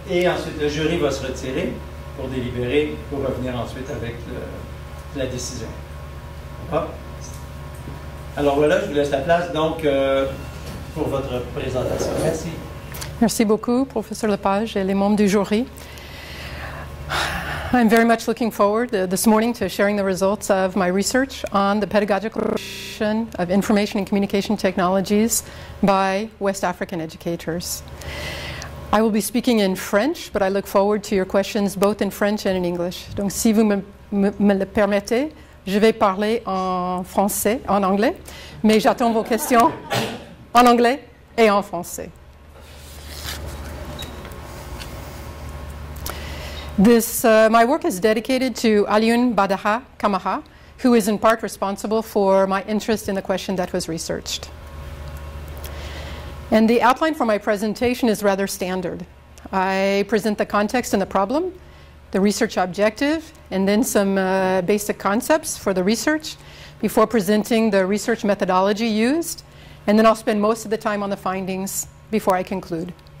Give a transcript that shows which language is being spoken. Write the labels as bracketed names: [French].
[French] Et ensuite, le jury va se retirer pour délibérer, pour revenir ensuite avec la décision. Hop. Alors voilà, je vous laisse la place donc pour votre présentation. Merci. Merci beaucoup, Professeur Lepage et les membres du jury. [English] I'm very much looking forward this morning to sharing the results of my research on the pedagogical appropriation of information and communication technologies by West African educators. I will be speaking in French, but I look forward to your questions both in French and in English. [French] Donc, si vous me le permettez, je vais parler en français, en anglais, mais j'attends vos questions en anglais et en français. [English] My work is dedicated to Alioune Badaha Kamaha, who is in part responsible for my interest in the question that was researched. And the outline for my presentation is rather standard. I present the context and the problem, the research objective, and then some basic concepts for the research before presenting the research methodology used, and then I'll spend most of the time on the findings before I conclude.